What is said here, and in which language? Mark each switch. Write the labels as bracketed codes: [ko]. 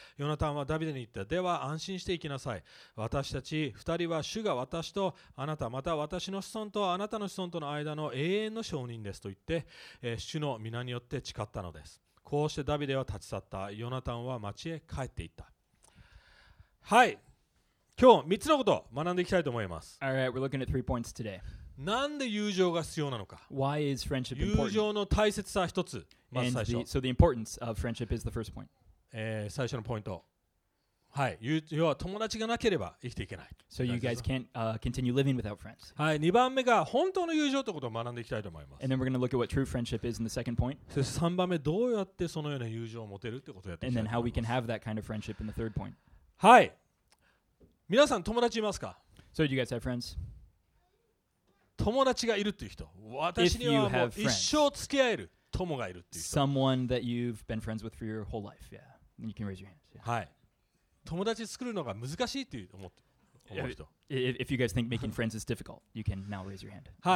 [ja] ヨナタンはダビデに言った。では安心していきなさい。私たち2人は主が私とあなた、また私の子孫とあなたの子孫との間の永遠の証人ですと言って、主の御名によって誓ったのです。こうしてダビデは立ち去った。ヨナタンは町へ帰っていった。はい、今日3つのことを学んでいきたいと思います。 [en] All right, we're looking at 3 points today. [ja] なんで友情が必要なのか。 [en] Why is friendship important? [ja] 友情の大切さ一つ、まず最初。 [en] So the importance of friendship is the first point. [ja] 最初のポイント。はい、要は友達がなければ生きていけない。 [en] So you guys can't continue living without friends. [ja] はい、2番目が本当の友情ということを学んでいきたいと思います。 [en] And then we're going to look at what true friendship is in the second point. [ja] そして3番目、どうやってそのような友情を持てるということをやっていきたい。 [en] And then how we can have that kind of friendship in the third point. [ja] はい。皆さん友達いますか？ [en] So you guys have friends? [ja] 友達がいるっていう人、私にはもう一生付き合える友がいるっていう人。 [en] Someone that you've been friends with for your whole life, yeah. You can raise your hands. [ja] はい。友達作るのが難しいっていう思って。 [en] If you guys think making friends is difficult, you can now raise your hand.